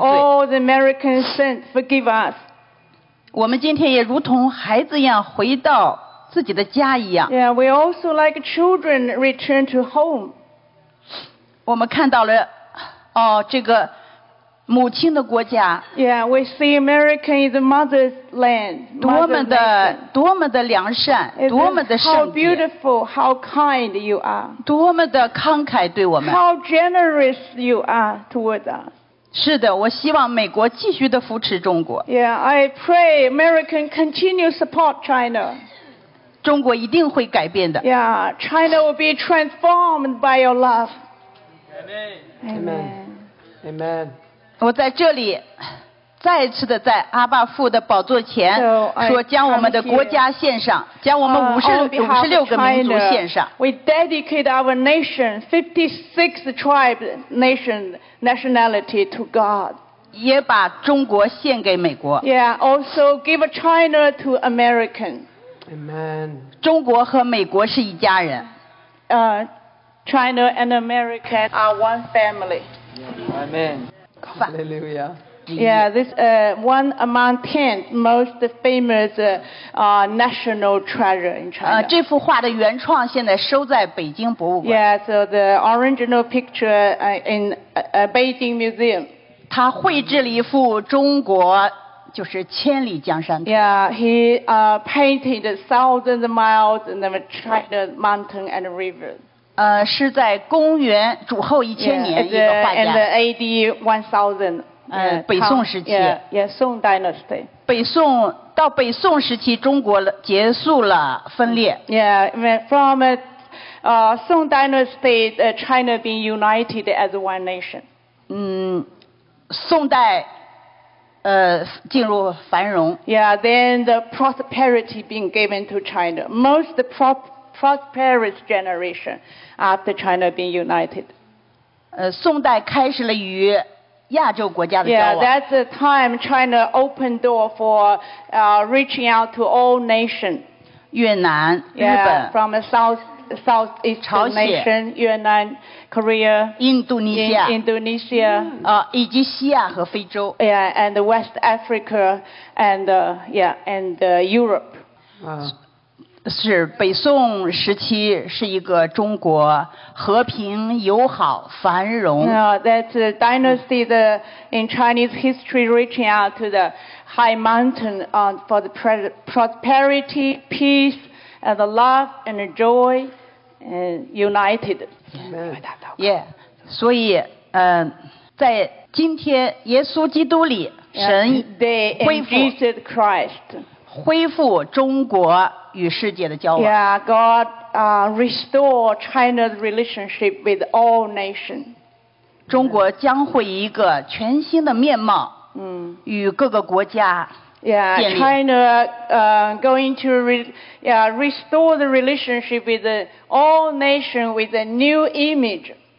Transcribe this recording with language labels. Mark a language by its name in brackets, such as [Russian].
[English] All the American sins, forgive us. [Chinese] 我们今天也如同孩子一样回到自己的家一样。 [English] Yeah, we also like children return to home. [Chinese] 我们看到了, 哦, 这个母亲的国家。 [English] Yeah, we see America is the mother's land. [Chinese] 多么的, 多么的良善, 多么的圣洁。 [English] How beautiful, how kind you are. [Chinese] 多么的慷慨对我们。 [English] How generous you are toward us. [Chinese] 是的, 我希望美国继续地扶持中国。 [English] Yeah, I pray American continue support China. [Chinese] 中国一定会改变的。 [English] Yeah, China will be transformed by your love. Amen. Amen. Amen. [Chinese] 我在这里, 再次地在阿爸父的宝座前, [English] so [Chinese] 说将我们的国家献上, 将我们56个民族献上。 [English] We dedicate our nation, 56 tribe nation, nationality to God. [Chinese] 也把中国献给美国。 [English] Yeah, also give China to American. Amen. [Chinese] 中国和美国是一家人。 [English] China and America are one family. Amen. Hallelujah. Yeah, this one among ten most famous national treasure in China. [Chinese] 这幅画的原创现在收在北京博物馆。 [English] Yeah, so the original picture in Beijing Museum. [Chinese] 他绘制了一幅中国就是千里江山图。 [English] Yeah, he painted thousand miles in the China mountain and river. [Chinese] 是在公元主后一千年一个画家。 [English] And AD 1000. [Chinese] 北宋时期 [English] yeah, 宋 dynasty [Chinese] 北宋到北宋时期中国结束了分裂 [English] yeah, from Song dynasty China being united as one nation [Chinese] 宋代进入繁荣 [English] yeah, then the prosperity being given to China most prosperous generation after China being united [Chinese] 宋代开始了与亚洲国家的交往。 [English] Yeah, that's the time China opened door for reaching out to all nations. [Chinese] 越南、 [English] 日本、from the southeast nation, 越南、Korea、 [Chinese] 印度尼西亚、 [English] Indonesia、 [Chinese] 以及西亚和非洲。 [English] Yeah, and West Africa and Europe. [Chinese] 是北宋时期是一个中国和平友好繁荣。 [English] That's a dynasty the in Chinese history reaching out to the high mountain for the prosperity, peace, and the love and the joy, and united. Yeah. [Chinese] 所以，在今天耶稣基督里，神恢复。 [English] Yeah, Jesus Christ. [Chinese] 恢复中国。与世界的交往。 [English] Yeah, God restore China's relationship with all nations. [Chinese] 中国将会以一个全新的面貌，与各个国家建立。 [English] Yeah, China going to restore the relationship with all nations with a new image.